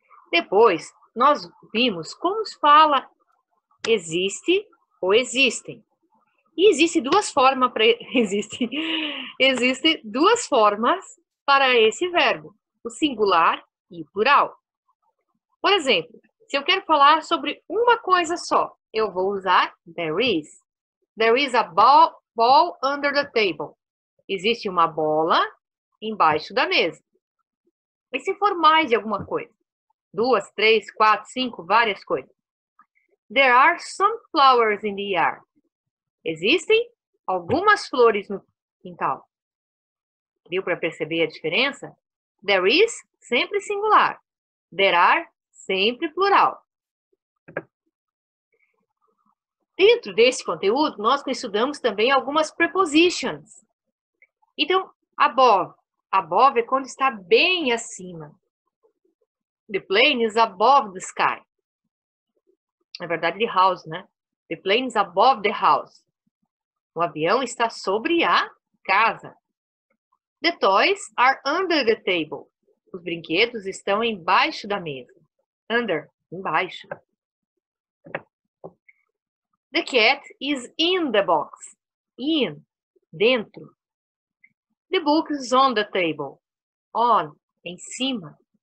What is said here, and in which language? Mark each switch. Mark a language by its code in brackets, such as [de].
[pt] Depois nós vimos como se fala existe ou existem. E existe duas formas para existe duas formas para esse verbo, o singular e o plural. Por exemplo, se eu quero falar sobre uma coisa só, eu vou usar there is. [en] There is a ball under the table. [pt] Existe uma bola embaixo da mesa. E se for mais de alguma coisa? Duas, três, quatro, cinco, várias coisas. [en] There are some flowers in the yard. [pt] Existem algumas flores no quintal. Deu para perceber a diferença? There is, sempre singular. There are, sempre plural. Dentro desse conteúdo, nós estudamos também algumas prepositions. Então, above. Above é quando está bem acima. [en] The plane is above the sky. [pt] Na verdade, [en] the house, né? The plane is above the house. [pt] O avião está sobre a casa. [en] The toys are under the table. [pt] Os brinquedos estão embaixo da mesa. Under, embaixo. [en] The cat is in the box. In, dentro. The book is on the table. On, em cima.